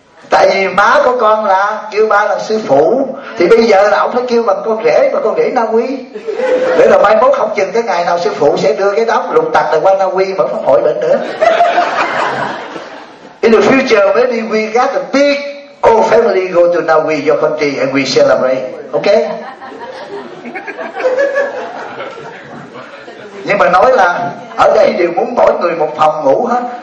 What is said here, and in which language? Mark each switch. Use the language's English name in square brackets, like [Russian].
[Vietnamese] Tại vì má của con là kêu ba là sư phụ thì bây giờ là ổng phải kêu bằng con rể và con rể Na Uy. Để là mai mốt không chừng cái ngày nào sư phụ sẽ đưa cái đám lục tặc này qua Na Uy mở pháp hội bệnh nữa. [English] In the future maybe we got a big all family go to Na Uy, your country, and we celebrate. Okay? [Vietnamese] Nhưng mà nói là ở đây đều muốn mỗi người một phòng ngủ hết.